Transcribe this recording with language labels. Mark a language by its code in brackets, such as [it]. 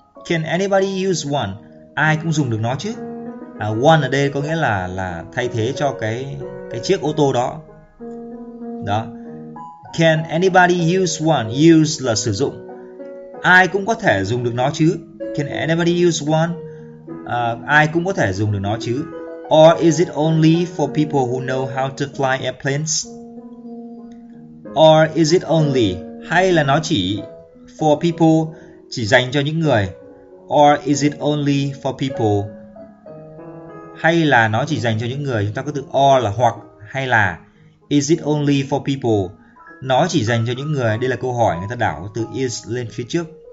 [en] Can anybody use one? [vi] Ai cũng dùng được nó chứ. One ở đây có nghĩa là thay thế cho cái chiếc ô tô đó. Đó. [en] Can anybody use one? [vi] Use là sử dụng. Ai cũng có thể dùng được nó chứ. [en] Can anybody use one? [vi] Ai cũng có thể dùng được nó chứ. [en] Or is it only for people who know how to fly airplanes? Or is it only? [vi] Hay là nó chỉ [en] for people, [vi] chỉ dành cho những người. [en] Or is it only for people? [vi] Hay là nó chỉ dành cho những người. Chúng ta có từ or là hoặc, hay là. [en] Is it only for people? [vi] Nó chỉ dành cho những người. Đây là câu hỏi, người ta đảo từ is lên phía trước.